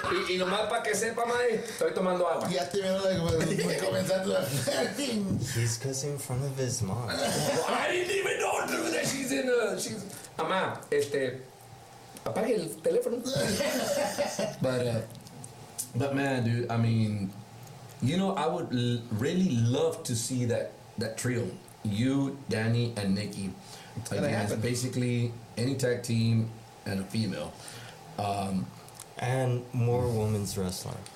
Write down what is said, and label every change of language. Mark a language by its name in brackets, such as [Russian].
[Spanish] Y lo más para que sepa, Mae, estoy tomando agua. Ya te veo, like, voy comenzando la. [English] He's cussing in front of his mom. I didn't even know that she's in. She's. [Spanish] Mamá, apague el teléfono. [English] But man, dude, I mean, you know, I would really love to see that trio. You, Danny, and Nikki. Against basically any tag team and a female. And more women's wrestling.